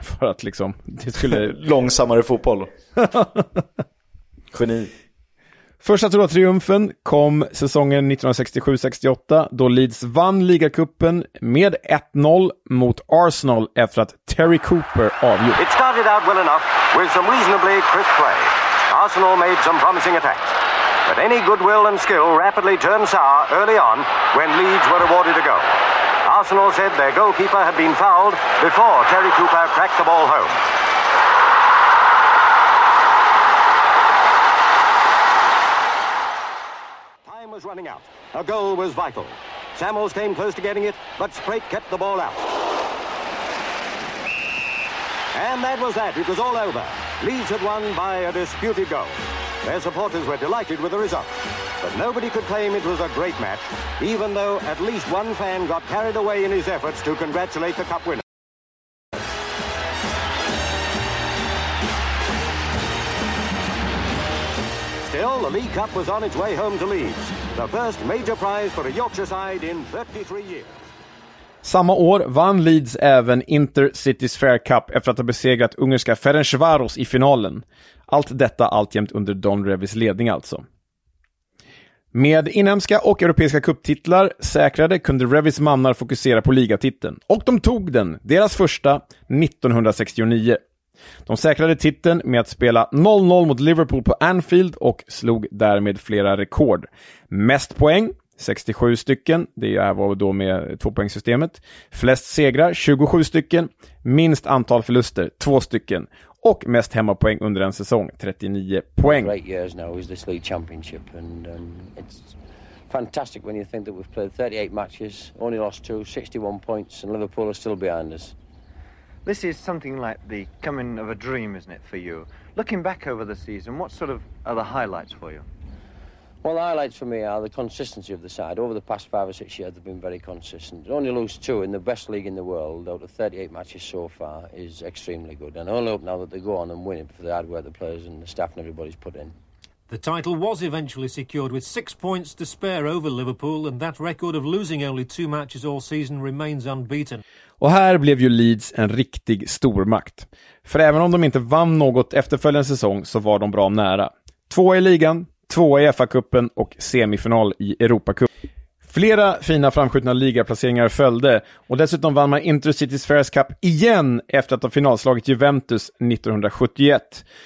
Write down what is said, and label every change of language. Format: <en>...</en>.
<sv>För att liksom, det skulle... Långsammare fotboll. Geni. Första tror jag triumfen kom säsongen 1967-68 då Leeds vann ligacupen med 1-0 mot Arsenal efter att Terry Cooper avgjort.</sv> <en>It started out well enough with some reasonably crisp play. Arsenal made some promising attacks. But any goodwill and skill rapidly turned sour early on when Leeds were awarded a goal. Arsenal said their goalkeeper had been fouled before Terry Cooper cracked the ball home. Time was running out. A goal was vital. Samuels came close to getting it, but Sprake kept the ball out. And that was that. It was all over. Leeds had won by a disputed goal. Their supporters were delighted with the result. But nobody could claim it was a great match, even though at least one fan got carried away in his efforts to congratulate the cup winner. Still, the League Cup was on its way home to Leeds. The first major prize for a Yorkshire side in 33 years.</en> <sv>Samma år vann Leeds även Intercities Fair Cup efter att ha besegrat ungerska Ferencváros i finalen. Allt detta alltjämt under Don Revys ledning alltså. Med inhemska och europeiska kupptitlar säkrade kunde Revis mannar fokusera på ligatiteln. Och de tog den, deras första, 1969. De säkrade titeln med att spela 0-0 mot Liverpool på Anfield och slog därmed flera rekord. Mest poäng, 67 stycken, det är vad då med tvåpoängssystemet. Flest segrar, 27 stycken. Minst antal förluster, 2 stycken. Och mest hemmapoäng under en säsong, 39 poäng.</sv> <en>Great years now is this league championship and it's fantastic when you think that we've played 38 matches, only lost 2, 61 points and Liverpool are still behind us. This is something like the coming of a dream, isn't it, for you? Looking back over the season, what sort of are the highlights for you? Well, the highlights for me are the consistency of the side. Over the past 5 or 6 years, they've been very consistent. Only lose 2 in the best league in the world out of 38 matches so far is extremely good. And I only hope now that they go on and win it for the hard work the players and the staff and everybody's put in. The title was eventually secured with 6 points to spare over Liverpool and that record of losing only 2 matches all season remains unbeaten.</en> <sv>Och här blev ju Leeds en riktig stormakt. För även om de inte vann något efterföljande säsong så var de bra nära. 2 i ligan, 2 i FA-kuppen och semifinal i Europacup. Flera fina framskjutna ligaplaceringar följde och dessutom vann man Intercity's Fairs Cup igen efter att ha finalslagit Juventus 1971.</sv>